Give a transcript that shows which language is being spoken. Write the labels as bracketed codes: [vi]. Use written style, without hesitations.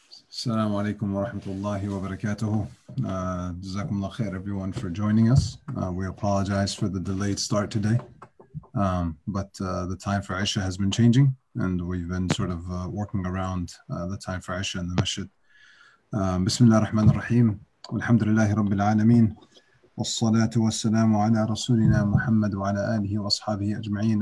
[ar] السلام عليكم ورحمة الله وبركاته. جزاكم الله خير, [en] everyone, for joining us. We apologize for the delayed start today, but the time for Isha has been changing, and we've been sort of working around the time for Isha and the Masjid. [ar] بسم الله الرحمن الرحيم والحمد لله رب العالمين والصلاة والسلام على رسولنا محمد وعلى آله وأصحابه أجمعين.